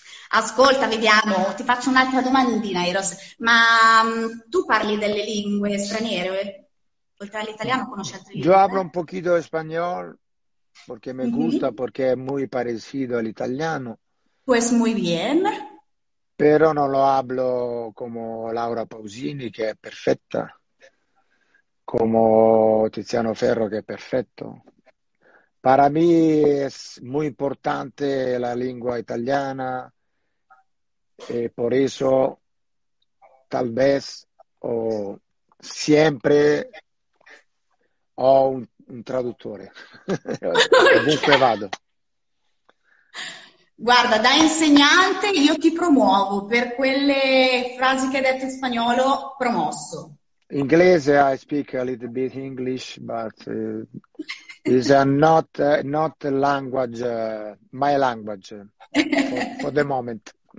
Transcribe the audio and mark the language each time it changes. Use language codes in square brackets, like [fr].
[it] Ascolta, vediamo, ti faccio un'altra domandina, Eros. Ma tu parli delle lingue straniere? Oltre all'italiano, conosci altre [es] Yo hablo un [it] lingue? [es] poquito español porque me gusta, porque es muy parecido al italiano, Pues muy bien. pero no lo hablo como Laura Pausini, [it] che è perfetta, [es] como Tiziano Ferro, [it] che è perfetto. [es] Para mí es muy importante la lengua italiana, y por eso tal vez o siempre [it] ho un traduttore ovunque vado. Guarda, da insegnante io ti promuovo per quelle frasi che hai detto in spagnolo, promosso. [en] Inglese, I speak a little bit English, but is not a language, my language for the moment.